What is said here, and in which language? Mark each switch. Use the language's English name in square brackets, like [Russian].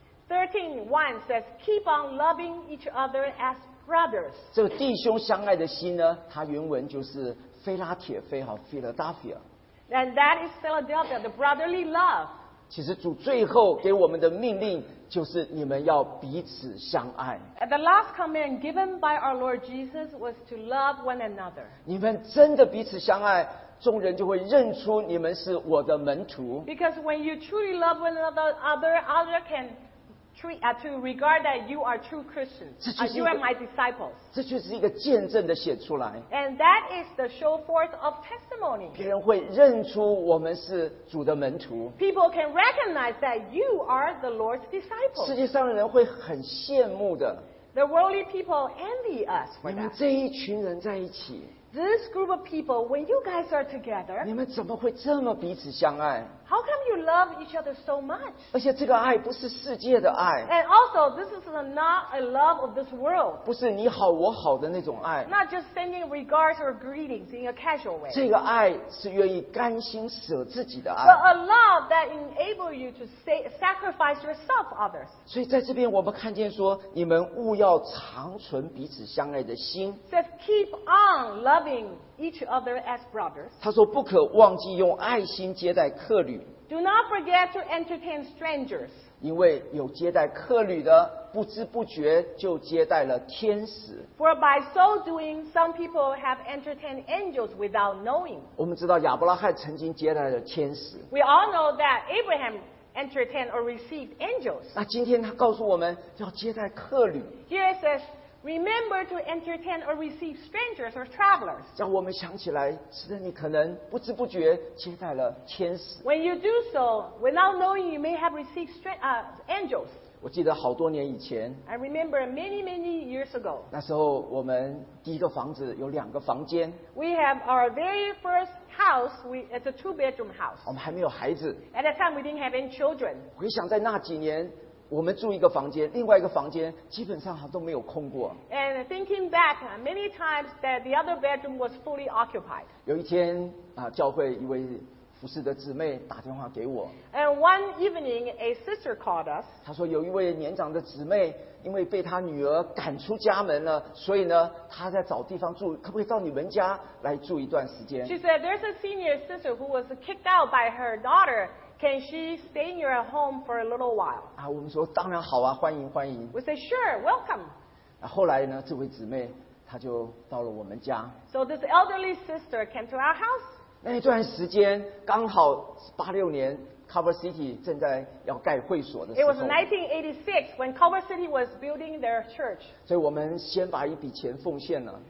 [English] 13:1 says keep on loving each other as brothers. [Chinese] 这个弟兄相爱的心呢他原文就是菲拉铁菲 Philadelphia. [English] And that is Philadelphia, the brotherly love. [Chinese] 其实主最后给我们的命令就是你们要彼此相爱。 [English] The last command given by our Lord Jesus was to love one another. [Chinese] 你们真的彼此相爱，众人就会认出你们是我的门徒。 [English] Because when you truly love one another, other can treat, to regard that you are true Christians. You are my disciples. [Chinese] 这就是一个见证的显出来。 [English] And that is the show forth of testimony. [Chinese] 别人会认出我们是主的门徒。 [English] People can recognize that you are the Lord's disciples. [Chinese] 世界上的人会很羡慕的。 [English] The worldly people envy us for that. [Chinese] 你们这一群人在一起。 [English] This group of people, when you guys are together, [Chinese] 你们怎么会这么彼此相爱？ [English] How come you love each other so much? [Chinese] 而且这个爱不是世界的爱。 [English] And also, this is not a love of this world. [Chinese] 不是你好我好的那种爱。 [English] Not just sending regards or greetings in a casual way. [Chinese] 这个爱是愿意甘心舍自己的爱。 [English] But a love that enables you to sacrifice yourself for others. [Chinese] 所以在这边我们看见说，你们务要长存彼此相爱的心。 [English] Says keep on loving each other as brothers. [Chinese] 他说不可忘记用爱心接待客旅。 [English] Do not forget to entertain strangers. [Chinese] 因为有接待客旅的，不知不觉就接待了天使。 [English] For by so doing, some people have entertained angels without knowing. [Chinese] 我们知道亚伯拉罕曾经接待了天使。 [English] We all know that Abraham entertained or received angels. [Chinese] 那今天他告诉我们要接待客旅。 [English] Here it says, remember to entertain or receive strangers or travelers. [Chinese] 叫我们想起来，使得你可能不知不觉接待了天使。 [English] When you do so, without knowing, you may have received angels. [Chinese] 我记得好多年以前 [English] I remember many, many years ago. [Chinese] 那时候我们第一个房子有两个房间 [English] We have our very first house. It's a two-bedroom house. [Chinese] 我们还没有孩子 [English] At that time, we didn't have any children. [Chinese] 回想在那几年我们住一个房间另外一个房间基本上都没有空过 [English] And thinking back, many times that the other bedroom was fully occupied. [Chinese] 有一天、教会一位服侍的姊妹打电话给我 [English] And one evening, a sister called us. [Chinese] 她说有一位年长的姊妹因为被她女儿赶出家门了所以呢她在找地方住可不可以到你们家来住一段时间 [English] She said, there's a senior sister who was kicked out by her daughter. Can she stay in your home for a little while? [Chinese] 啊，我们说当然好啊欢迎欢迎 [English] We said, sure, welcome. [Chinese] 那后来呢这位姊妹她就到了我们家 [English] So this elderly sister came to our house. [Chinese] 那一段时间刚好86年 Culver City 正在要盖会所的时候 [English] It was 1986 when Culver City was building their church. [Chinese] 所以我们先把一笔钱奉献了